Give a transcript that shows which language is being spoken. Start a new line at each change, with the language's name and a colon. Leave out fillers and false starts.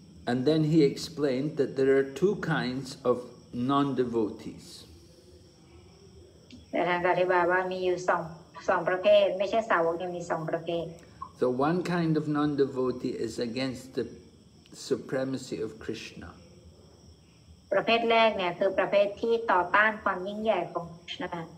English: And then he explained that there are two kinds of non-devotees
Thai: และท่านอธิบายว่ามีอยู่สองป2ประเภทไม่ใช่สาวกยังมี2ประเภท
English: So one kind of non-devotee is against the supremacy of Krishna
Thai: ประเภทแรกเนี่ยคือประเภทที่ต่อต้านความยิ่งใหญ่ของ Krishna